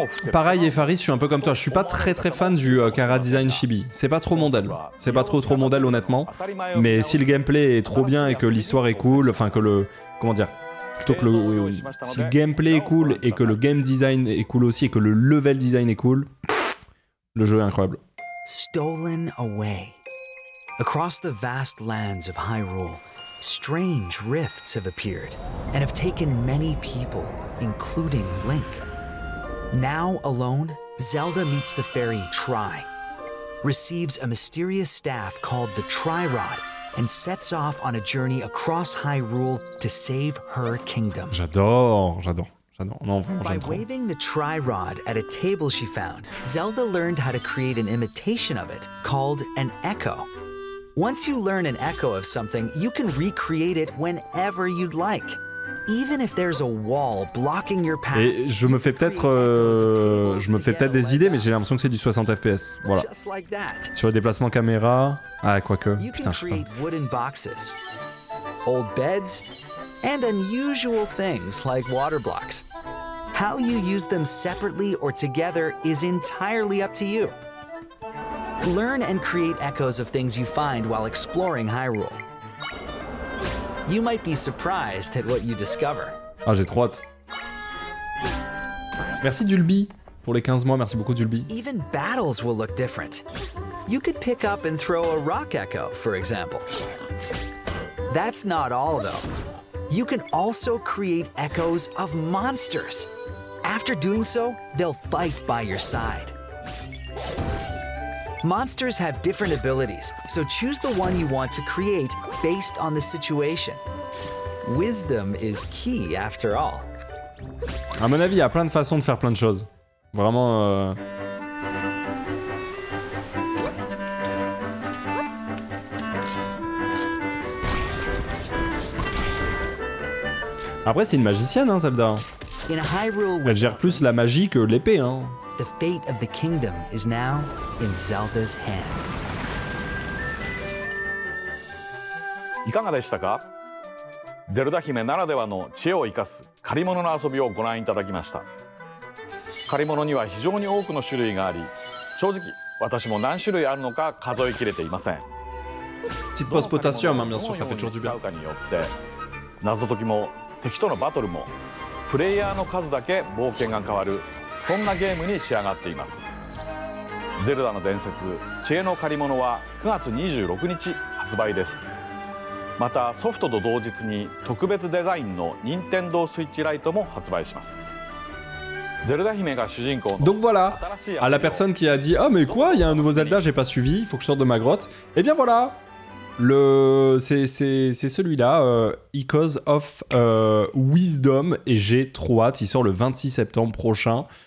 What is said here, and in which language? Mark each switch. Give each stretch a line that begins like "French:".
French: pareil, Efaris, je suis un peu comme toi. Je suis pas très très fan du chara-design Chibi. C'est pas trop mon deal. C'est pas trop trop mon deal, honnêtement. Mais si le gameplay est trop bien et que l'histoire est cool, enfin que le... Comment dire ? Plutôt que le... Si le gameplay est cool et que le game design est cool aussi et que le level design est cool, le jeu est incroyable.
English: Stolen away. Across the vast lands of Hyrule, strange rifts have appeared and have taken many people, including Link. Now alone, Zelda meets the fairy Tri, receives a mysterious staff called the Tri-Rod, and sets off on a journey across Hyrule to save her kingdom.
French: J'adore, j'adore, j'adore. Non, vraiment, j'aime trop.
English: By waving the Tri-Rod at a table she found, Zelda learned how to create an imitation of it called an echo. Once you learn an echo of something, you can recreate it whenever you'd like. Even if there's a wall blocking your path.
French: Et je me fais peut-être des idées, mais j'ai l'impression que c'est du 60 FPS. Voilà. Sur le déplacement caméra, ah quoi que, putain, je sais pas.
English: Wooden boxes, old beds and unusual things like water blocks. How you use them separately or together is entirely up to you. Learn and create echoes of things you find while exploring Hyrule. You might be surprised at what you discover.
French: Ah, j'ai trop hâte. Merci Dulby pour les 15 mois, merci beaucoup Dulby.
English: Even battles will look different. You could pick up and throw a rock echo, for example. That's not all, though. You can also create echoes of monsters. After doing so, they'll fight by your side. Monsters have different abilities, so choose the one you want to create based on the situation. Wisdom is key, after all.
French: À mon avis, il y a plein de façons de faire plein de choses. Vraiment... Après, c'est une magicienne, hein, Zelda. Elle gère plus la magie que l'épée, hein.
English: The fate of the kingdom is now in Zelda's hands.
Japanese: いかがでしたか？ゼルダ姫ならではの知恵を生かす借り物の遊びをご覧いただきました。借り物には非常に多くの種類があり、正直私も何種類あるのか数え切れていません。どの借り物をどのように使うかによって、謎解きも敵とのバトルも、敵とのバトルも、プレイヤーの数だけ冒険が変わる、そんなゲームに仕上がっています。ゼルダの伝説知恵の借り物は9月26日発売です。またソフトと同日に特別デザインの任天堂スイッチライトも発売します。ゼルダ姫が主人公の
French: Donc voilà, à la personne qui a dit ah mais quoi, il y a un nouveau Zelda, j'ai pas suivi, il faut que je sorte de ma grotte. Eh bien voilà, le c'est celui-là, Echoes of Wisdom, et j'ai trop hâte, il sort le 26 septembre prochain.